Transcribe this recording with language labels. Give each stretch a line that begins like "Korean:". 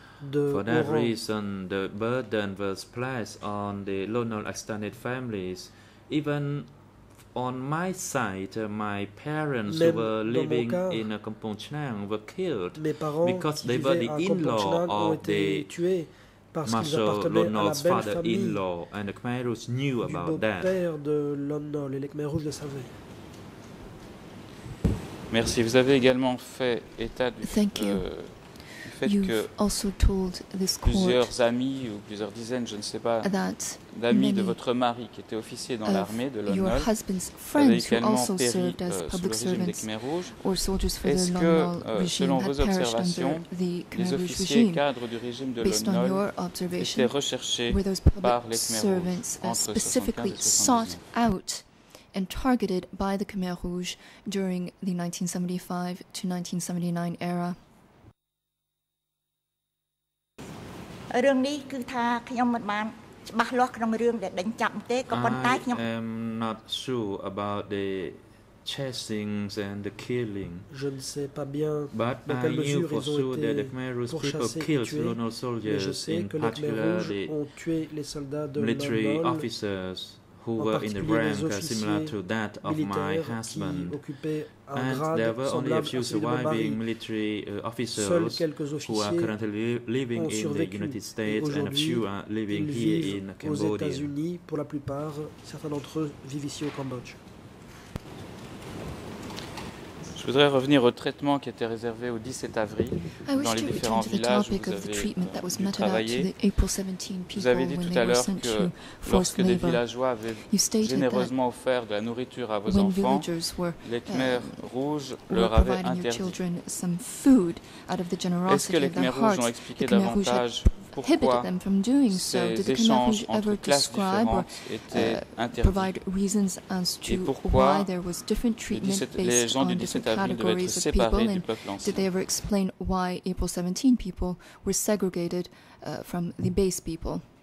English: For that reason, the burden was placed on the Lonnol extended families, even On my side, my parents who were living cas, in a Kampong Chenang were killed because they were the in-law of the Marshal Lonnol's father-in-law, and the Khmer Rouge knew about that.
French: De Lonnol, et les Khmer Rouge le savaient. Merci. Vous avez également fait état du
English: Thank you.
French: Fait
English: You've
French: que
English: also told this court
French: plusieurs amis ou plusieurs dizaines, je ne sais pas, d'amis de votre mari qui était officier dans l'armée de Lonnol,
English: your husband's friends who also served as public servants or soldiers for the Lonnol regime had perished under the Khmer Rouge regime.
French: Du régime de
English: Based on your observation, were those public servants specifically sought out and targeted by the Khmer Rouge during the 1975 to 1979 era? เรื่องนี้คือทาขยมมันมาฉบับล้อขนมเรื่องเด็ดดังจับเต้ก็ปนตายขยม I am not sure about the chasings and the killing
French: Je ne sais pas bien
English: But I knew for sure that the Khmer Rouge people killed Lonnol soldiers in particular the military officers who were in the rank similar to that of my husband And there were only a few surviving military officers who are currently living in the United States and a few are living here in Cambodia.
French: Pour la plupart, certains d'entre eux vivent ici au Cambodge. Je voudrais revenir au traitement qui était réservé au 17 avril dans les différents villages où vous avez travaillé. Vous avez dit tout à l'heure que lorsque des villageois avaient généreusement offert de la nourriture à vos enfants, les Khmer Rouges leur avaient interdit. Est-ce que les Khmer Rouges ont expliqué davantage
English: prohibited them from doing so. Did the Khmer Rouge ever describe or provide reasons as to why there was different treatment based on different categories of people? And did they ever explain why April 17 people were segregated from the base people?